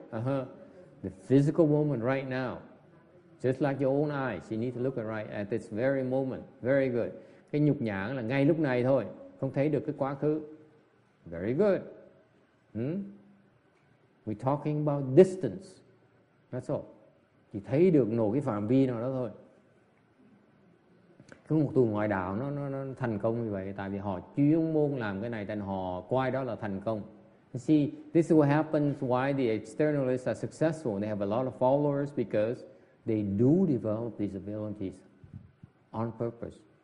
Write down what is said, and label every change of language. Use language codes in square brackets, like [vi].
[en] The physical moment right now, just like your own eyes, you need to look at right at this very moment. Very good. [vi] Cái nhục nhãn là ngay lúc này thôi, không thấy được cái quá khứ. [en] Very good. We're talking about distance. That's all. [vi] Chỉ thấy được nổi cái phạm vi nào đó thôi. Cứ một tù ngoại đạo nó thành công như vậy, tại vì họ chuyên môn làm cái này, nên họ coi đó là thành công. [en] See, this is what happens why the externalists are successful. They have a lot of followers because they do develop these abilities on purpose.